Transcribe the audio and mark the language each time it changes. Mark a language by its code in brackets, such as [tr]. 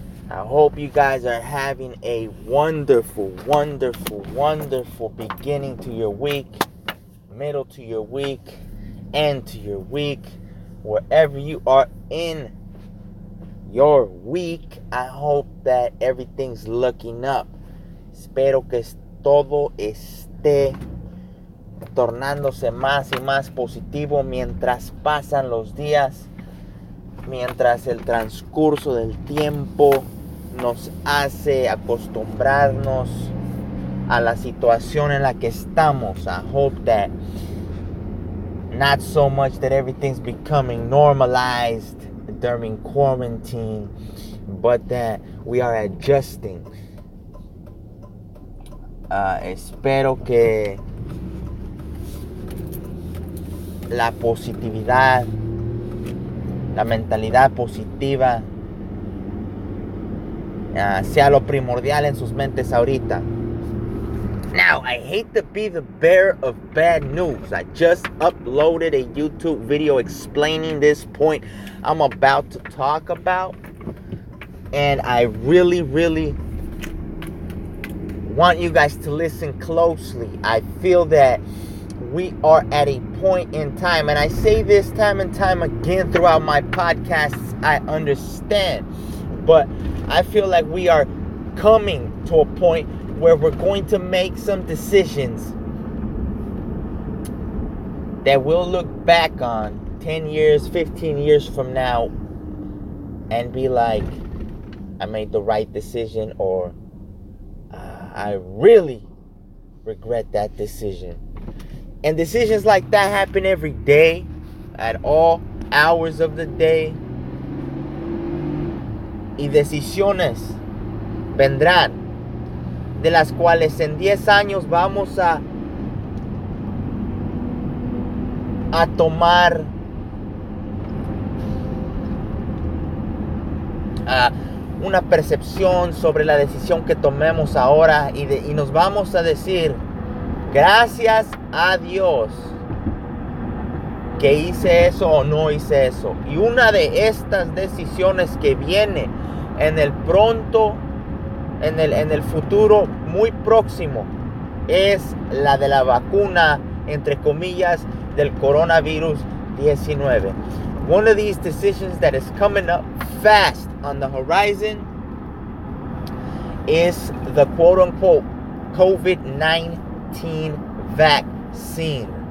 [en] I hope you guys are having a wonderful, wonderful, wonderful beginning to your week, middle to your week, end to your week, wherever you are in your week. I hope that everything's looking up. [es] Espero que todo esté tornándose más y más positivo mientras pasan los días, mientras el transcurso del tiempo nos hace acostumbrarnos a la situación en la que estamos. [en] I hope that not so much that everything's becoming normalized during quarantine, but that we are adjusting. [es] Espero que la positividad, la mentalidad positiva, sea lo primordial en sus mentes ahorita. [en] Now, I hate to be the bearer of bad news. I just uploaded a YouTube video explaining this point I'm about to talk about. And I really, really want you guys to listen closely. I feel that we are at a point in time, and I say this time and time again throughout my podcasts, I understand, but I feel like we are coming to a point where we're going to make some decisions that we'll look back on 10 years, 15 years from now and be like, I made the right decision, or I really regret that decision. And decisions like that happen every day, at all hours of the day. [es] Y decisiones vendrán, de las cuales en 10 años vamos a tomar, una percepción sobre la decisión que tomemos ahora y nos vamos a decir, gracias a Dios que hice eso o no hice eso. Y una de estas decisiones que viene en el pronto, en el futuro muy próximo, es la de la vacuna, entre comillas, del coronavirus 19. [en] One of these decisions that is coming up fast on the horizon is the quote-unquote COVID-19 vaccine.